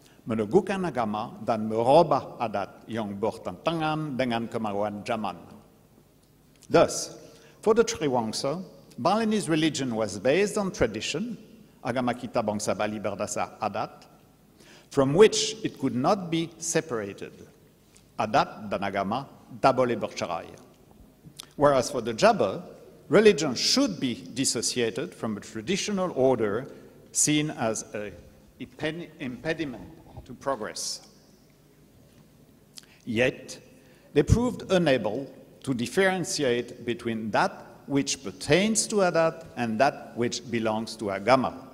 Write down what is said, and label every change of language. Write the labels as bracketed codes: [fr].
[id] Meneguhkan agama dan merubah adat yang bertentangan dengan kemauan zaman. [en] Thus, for the Triwangsa, Balinese religion was based on tradition, [id] agama kita bangsa Bali berdasar adat, [en] from which it could not be separated. [id] Adat dan agama tak boleh bercerai. [en] Whereas for the Jaba, religion should be dissociated from a traditional order seen as an impediment to progress. Yet, they proved unable to differentiate between that which pertains to adat and that which belongs to agama.